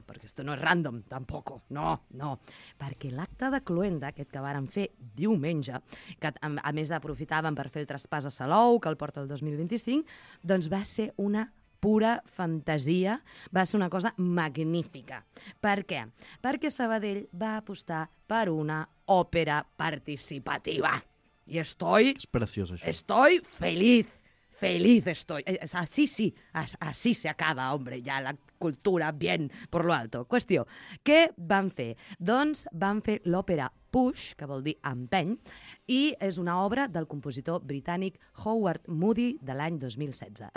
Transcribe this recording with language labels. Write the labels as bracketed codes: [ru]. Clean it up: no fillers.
[ca] Perquè això no és random, tampoc. No. Perquè l'acte de cloenda, aquest que varen fer diumenge, que a més aprofitaven per fer el traspàs a Salou, que el porta el 2025, doncs va ser una pura fantasia, va ser una cosa magnífica. Per què? Perquè Sabadell va apostar per una òpera participativa. [es] I estoy... [ca] És preciós, això. [es] Estoy feliz. Feliz estoy. Así sí, así se acaba, hombre, ya la cultura bien por lo alto. [ca] Qüestió, què van fer? Doncs van fer l'òpera Push, que vol dir empeny, i és una obra del compositor britànic Howard Moody de l'any 2016.